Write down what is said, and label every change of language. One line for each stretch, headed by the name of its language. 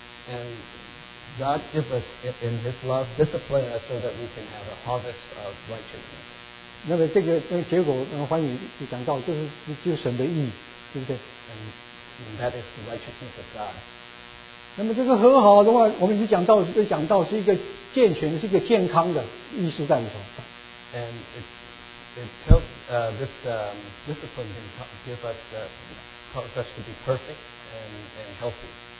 English: And God gives us in His love discipline us so that we can have a harvest of righteousness.
Chinese: 那么这个结果，欢迎你讲到，就是神的义，对不对
English: ？And that is the righteousness of God.
Chinese: 那么这个和好的话，我们是讲到是一个健全，是一个健康的意思在里头。
English: And it tells this discipline can give us cause us to be perfect and healthy.